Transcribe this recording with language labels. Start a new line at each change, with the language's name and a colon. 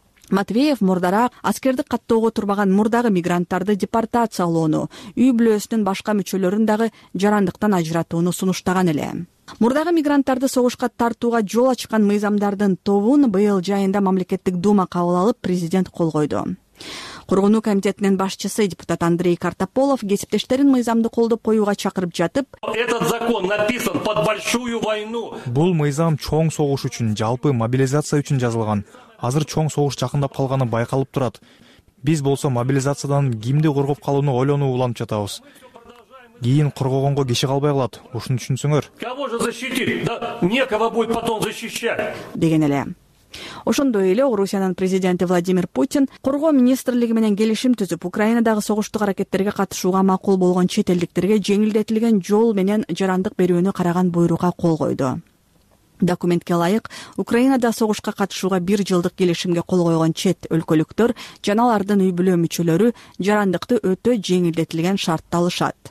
Kyrgyz: Матвеев мурдараак аскердик каттоого турбаган мурдагы мигранттарды депортациялоону, үй бүлөсүнүн башка мүчөлөрүн дагы жарандыктан ажыратууну сунуштаган эле. Мурдагы мигранттарды согушка тартууга жол ачкан мыйзамдардын тобун быйыл жайында мамлекеттик дума кабыл алып, президент кол койду. Коргоонуу комитетинин башчысы депутат Андрей Картополов кесиптештерин мыйзамды колдоп коюуга чакырып жатып,
Russian: этот закон написан под большую войну.
Kyrgyz: Бул мыйзам чоң согуш үчүн, жалпы мобилизация үчүн жазылган. Азыр чоң согуш жакындап калганы байкалып турат. Биз болсо мобилизациядан кимди коргоп калууну ойлонуп уланып жатабыз. Кийин коргогонго киши калбай калат. Ушуну түшүнсөңөр.
Russian: Кого же защитить? Да некого будет потом защищать.
Kyrgyz: Деген эле. Ошондой эле Орусиянын президенти Владимир Путин коргоо министрлиги менен келишим түзүп, Украинадагы согуштук аракеттерге катышууга макул болгон чет элдиктерге жеңилдетилген жол менен жарандык берүүнү караган буйрукка кол койду. Документке ылайык, Украинада согушка катышууга бир жылдык келишимге кол койгон чет өлкөлүктөр жана алардын үй бүлө мүчөлөрү жарандыкты өтө жеңилдетилген шартта алышат.